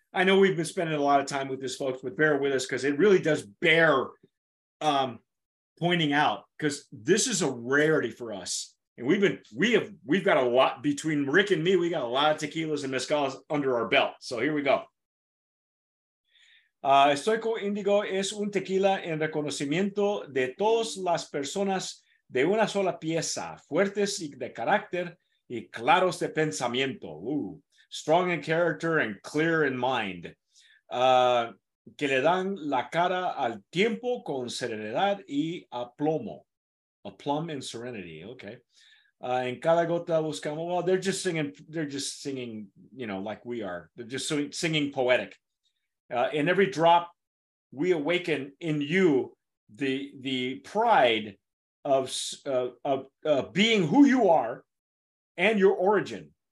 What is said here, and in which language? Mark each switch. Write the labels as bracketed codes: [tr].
[en] I know we've been spending a lot of time with this, folks, but bear with us because it really does bear pointing out, because this is a rarity for us. And we've got a lot between Rick and me. We got a lot of tequilas and mezcals under our belt. So here we go. [es] Estoico Indigo es un tequila en reconocimiento de todas las personas de una sola pieza, fuertes de carácter y claros de pensamiento. [en] Ooh, strong in character and clear in mind. [es] Que le dan la cara al tiempo con serenidad y aplomo. [en] Aplomb and serenity, okay. [es] En cada gota buscamos, [en] well, they're just singing, you know, like we are. They're just singing poetic. In every drop, we awaken in you the pride of being who you are and your origin.